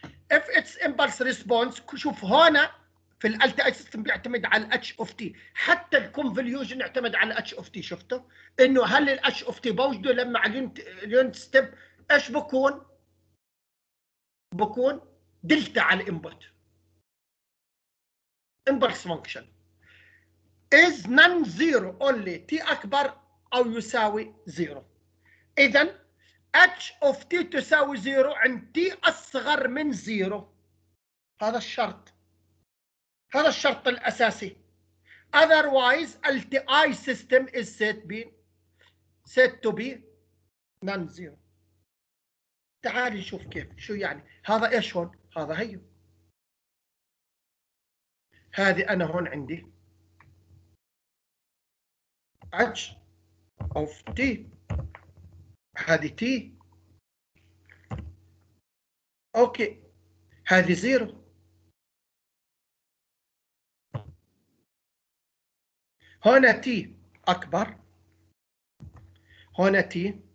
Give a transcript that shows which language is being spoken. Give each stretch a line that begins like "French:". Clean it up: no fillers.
English: if its impulse response
Arabic: شوف هنا في الالتي سيستم بيعتمد على الاتش اوف تي حتى الكونفوليوشن يعتمد على الاتش اوف تي شفته انه هل الاتش اوف تي بوجده لما اليونت ستيب ايش بكون دلتا على الانبوت
English: Impulse function is non-zero only t
Arabic: أكبر أو يساوي zero. إذن h of t تساوي zero عند t أصغر من zero. هذا الشرط. هذا الشرط الأساسي.
English: Otherwise, LTI system is said to be non-zero.
Arabic: تعال نشوف كيف. شو يعني؟ هذا إيش هون؟ هذا هيو. هذه أنا هون عندي h of t هذه t أوكي هذه zero هنا t أكبر هنا t